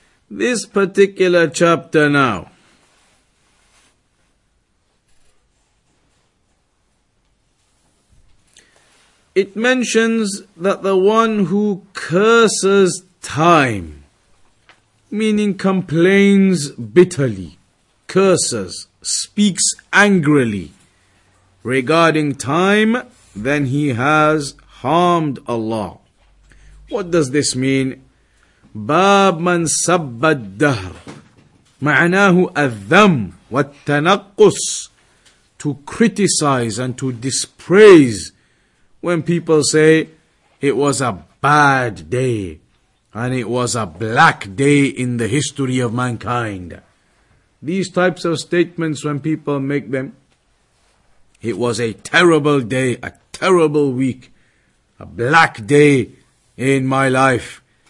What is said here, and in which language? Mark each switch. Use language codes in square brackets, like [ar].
[en] This particular chapter now it mentions that the one who curses time, meaning complains bitterly, curses, speaks angrily regarding time, then he has harmed Allah. What does this mean? [ar] باب من سب الدهر معناه الذم والتنقص. [en] To criticize and to dispraise when people say it was a bad day, and it was a black day in the history of mankind. These types of statements, when people make them, it was a terrible day, a terrible week, a black day in my life.